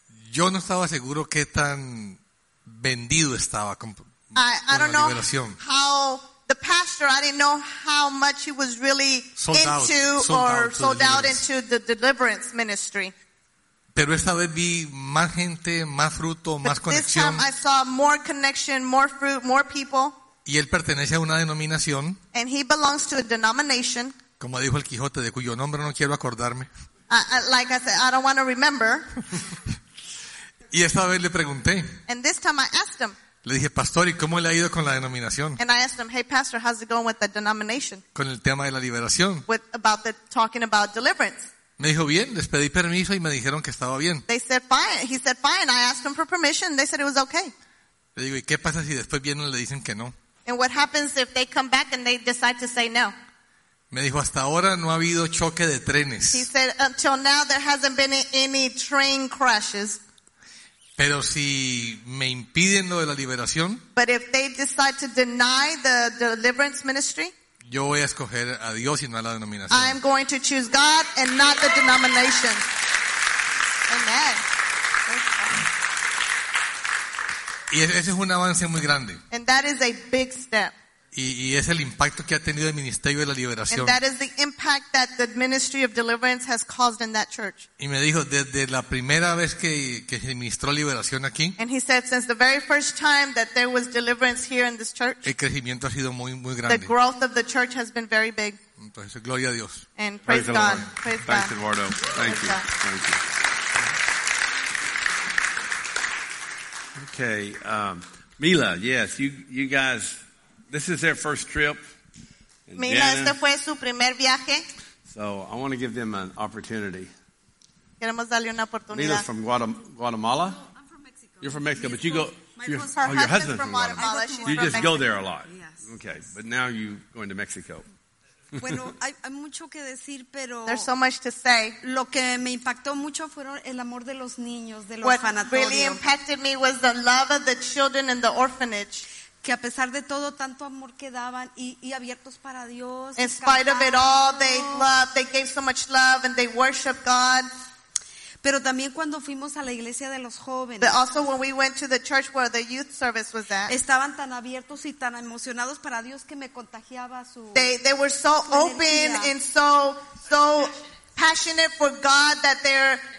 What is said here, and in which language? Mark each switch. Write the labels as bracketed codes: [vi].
[es] Yo no estaba seguro qué tan vendido estaba con la liberación. [en] I don't know how. The pastor, I didn't know how much he was really sold into out, sold or out sold out into the deliverance ministry. [es] Pero esta vez vi más gente, más fruto, [en] but [es] más conexión. [en] This time I saw more connection, more fruit, more people. [es] Y él pertenece a una denominación. [en] And he belongs to a denomination. [es] Como dijo el Quijote, de cuyo nombre no quiero acordarme. [en] Like I said, I don't want to remember. [es] Y esta vez le pregunté. [en] And this time I asked him. [es] Le dije, pastor, ¿y cómo le ha ido con la denominación? [en] And I asked him, hey, pastor, how's it going with the denomination? [es] Con el tema de la liberación. [en] With about the talking about deliverance. [es] Me dijo, bien, les pedí permiso y me dijeron que estaba bien. [en] They said, fine. He said, fine. I asked him for permission. They said it was okay. [es] Le digo, ¿y qué pasa si después vienen y le dicen que no? [en] And what happens if they come back and they decide to say no? [es] Me dijo, hasta ahora no ha habido choque de trenes. [en] He said, until now there hasn't been any train crashes. [es] Pero si me impiden lo de la liberación, [en] but if they decide to deny the deliverance ministry, [es] yo voy a escoger a Dios y no a la denominación. [en] I am going to choose God and not the denomination. Amen. [es] Y ese es un avance muy grande. [en] And that is a big step. [es] y es el impacto que ha tenido el ministerio de la liberación. [en] And that is the impact that the ministry of deliverance has caused in that church. [es] Y me dijo desde la primera vez que se ministró liberación aquí. [en] And he said since the very first time that there was deliverance here in this church. [es] El crecimiento ha sido muy muy grande. [en] The growth of the church has been very big. [es] Entonces gloria a Dios. [en] And praise God. Praise Thanks, Eduardo. Thank you. Okay, Mila, yes, you guys. This is their first trip. [es] Mila, este fue su primer viaje. [en] So I want to give them an opportunity. [es] Queremos darle una oportunidad. [en] Mila's from Guatemala. No, I'm from Mexico. You're from Mexico, but you go. Her husband's from Guatemala. From Guatemala. You just Mexico. Go there a lot. Yes. Okay, but now you're going to Mexico. [es] Bueno, hay mucho que decir, pero [en] there's so much to say. [es] Lo que me impactó mucho fueron el amor de los niños, del [en] what [es] orfanatorio. [en] What really impacted me was the love of the children in the orphanage. [es] Que a pesar de todo, tanto amor que daban y abiertos para Dios. [en] In spite of it all, they loved, they gave so much love and they worshiped God. [es] Pero también cuando fuimos a la iglesia de los jóvenes. [en] But also when we went to the church where the youth service was at. [es] Estaban tan abiertos y tan emocionados para Dios que me contagiaba su energía. [en] They were so open and so passionate for God that